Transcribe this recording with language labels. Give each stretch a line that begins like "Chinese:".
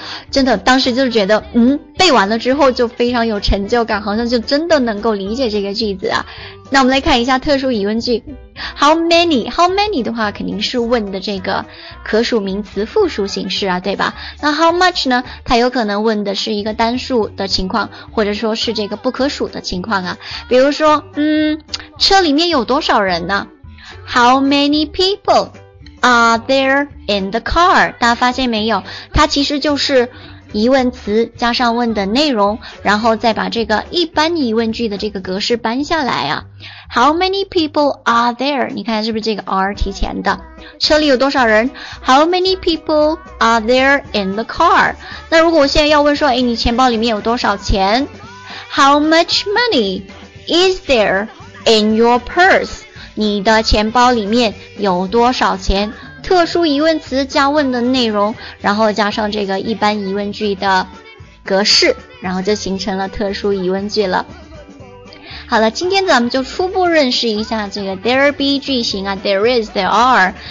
Chinese: 真的当时就觉得背完了之后就非常有成就感，好像就真的能够理解这个句子啊。那我们来看一下特殊疑问句， How many 的话肯定是问的这个可数名词复数形式啊，对吧。那 how much 呢，它有可能问的是一个单数的情况，或者说是这个不可数的情况啊。比如说车里面有多少人呢，
English: How many peopleAre there in the car?
Chinese: 大家发现没有，它其实就是疑问词加上问的内容，然后再把这个一般疑问句的这个格式搬下来啊。
English: How many people are there?
Chinese: 你看是不是这个 are 提前的？车里有多少人？
English: How many people are there in the car?
Chinese: 那如果我现在要问说，诶，你钱包里面有多少钱？
English: How much money is there in your purse?
Chinese: 你的钱包里面有多少钱？特殊疑问词加问的内容，然后加上这个一般疑问句的格式，然后就形成了特殊疑问句了。好了，今天咱们就初步认识一下这个 there be 句型啊， there is, there are。